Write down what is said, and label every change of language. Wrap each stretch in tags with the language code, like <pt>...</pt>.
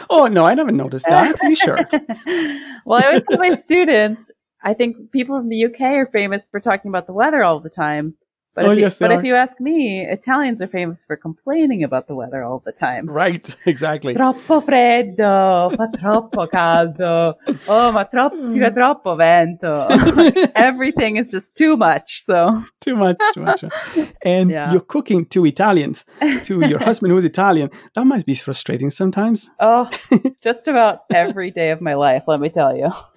<en>Oh, no, I never noticed that. Are you sure? Well, I always tell my students, I think people from the UK are famous for talking about the weather all the time. But, if you ask me, Italians are famous for complaining about the weather all the time. Right, exactly.</en> <it>Troppo freddo, fa troppo caldo. Oh, ma tira troppo vento.</it> <en>Everything is just too much. So Too much. And you're cooking to Italians, to your husband who is Italian. That must be frustrating sometimes. Oh, just about every day of my life, let me tell you.</en>